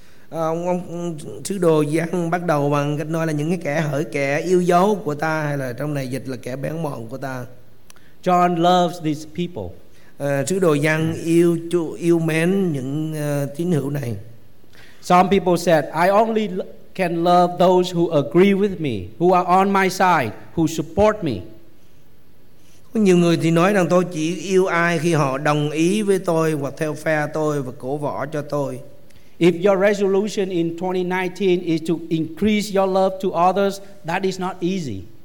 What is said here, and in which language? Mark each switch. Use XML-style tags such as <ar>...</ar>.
<vi>Ông sứ đồ Giăng bắt đầu bằng cách nói là những cái kẻ hỡi, kẻ yêu dấu của ta, hay là trong này dịch là kẻ bén mọn của ta.</vi> <en>John loves these people.</en> <vi>Sứ đồ Giăng yêu mến những tín hữu này.</vi> <en>Some people said, I only can love those who agree with me, who are on my side, who support me.</en> <vi>Có nhiều người thì nói rằng tôi chỉ yêu ai khi họ đồng ý với tôi hoặc theo phe tôi và cổ võ cho tôi.</vi> <en>If your resolution in 2019 is to increase your love to others, that is not easy.</en>